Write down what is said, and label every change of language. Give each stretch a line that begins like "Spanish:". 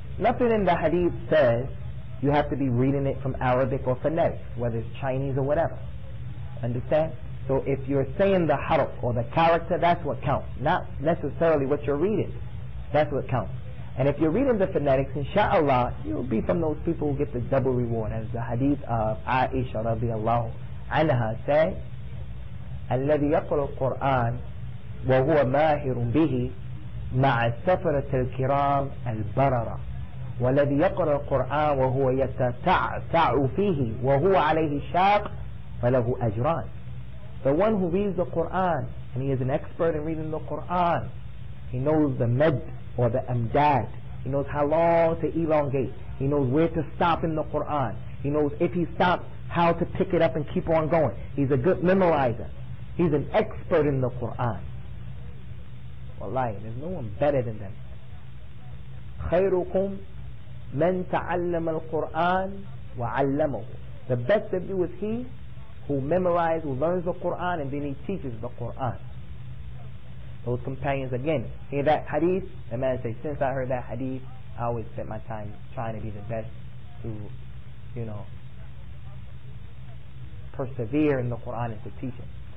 English: Nothing in the hadith says you have to be reading it from Arabic or phonetic, whether it's Chinese or whatever. Understand? So if you're saying the harf or the character, that's what counts, not necessarily what you're reading. That's what counts. And if you're reading the phonetics, inshallah, you'll be from those people who get the double reward. As the hadith of Aisha radiallahu anha said,
Arabic: الَّذِي يَقْرَ الْقُرْآنِ وَهُوَ مَاهِرٌ بِهِ مَعَ السَّفَرَةِ الْكِرَامِ الْبَرَرَ وَالَّذِي يَقْرَ الْقُرْآنِ وَهُوَ يَتَتَعُ فِيهِ وَهُوَ عَلَيْهِ الشَّاقِ فَلَهُ أَجْرَانِ.
English: The one who reads the Qur'an, and he is an expert in reading the Qur'an, he knows the med or the amdad, he knows how long to elongate, he knows where to stop in the Quran, he knows if he stops how to pick it up and keep on going. He's a good memorizer, he's an expert in the Quran. Wallahi, there's no one better than them.
Arabic: خيركم من تعلم القرآن وعلمه.
English: The best of you is he who memorizes, who learns the Quran, and then he teaches the Quran. Those companions, again, hear that hadith. The man says, since I heard that hadith, I always spent my time trying to be the best to, you know, persevere in the Quran and to teach it.